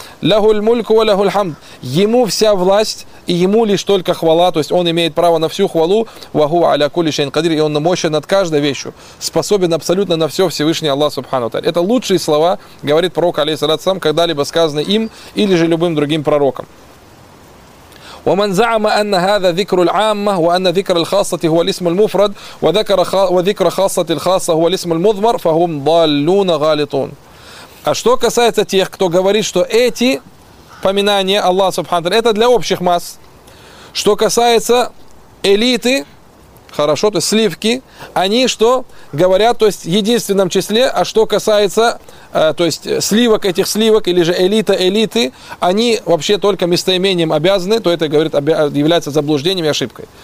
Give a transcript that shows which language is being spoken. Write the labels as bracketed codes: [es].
[ar] «Лягуль мульку ва лягуль хамд». [ru] Ему вся власть и ему лишь только хвала, то есть он имеет право на всю хвалу. [ar] «Ваху аля кули шейн кадир». [ru] И он мощен над каждой вещью, способен абсолютно на все Всевышний Аллах Субхану Таля. Это лучшие слова, говорит пророк, алейхиссалям, когда-либо сказаны им или же любым другим пророком. [ar] ومن زعم أن هذا ذكر العامة وأن ذكر الخاصة هو الاسم المفرد وذكر وذكر خاصة الخاصة هو الاسم المضمر فهم ضالون غالطون. [ru] А что касается тех, кто говорит, что эти поминания Аллаха Субхану это для общих масс, что касается элиты, хорошо, то есть сливки, они что говорят, то есть в единственном числе, а что касается то есть сливок этих сливок или же элита элиты, они вообще только местоимением обязаны, то это говорит, является заблуждением и ошибкой.